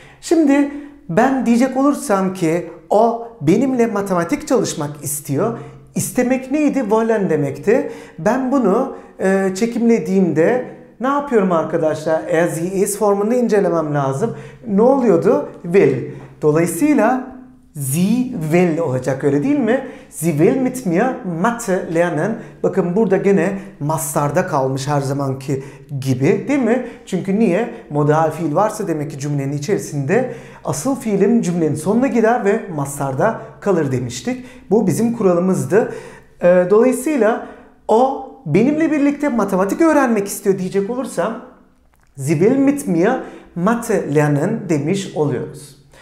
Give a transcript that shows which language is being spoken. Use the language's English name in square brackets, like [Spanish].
[Turkish] Şimdi ben diyecek olursam ki o benimle matematik çalışmak istiyor. İstemek neydi? Wollen demekti. Ben bunu çekimlediğimde ne yapıyorum arkadaşlar? As he is formunu incelemem lazım. Ne oluyordu? Will. Dolayısıyla [German] sie will [Turkish] olacak öyle değil mi? [German] Sie will mit mir Mathe lernen. [Turkish] Bakın burada gene mastarda kalmış her zamanki gibi değil mi? Çünkü niye? Modal fiil varsa demek ki cümlenin içerisinde asıl fiilim cümlenin sonuna gider ve mastarda kalır demiştik. Bu bizim kuralımızdı. Dolayısıyla o benimle birlikte matematik öğrenmek istiyor diyecek olursam [German] Sie will mit mir Mathe lernen [Turkish] demiş oluyoruz.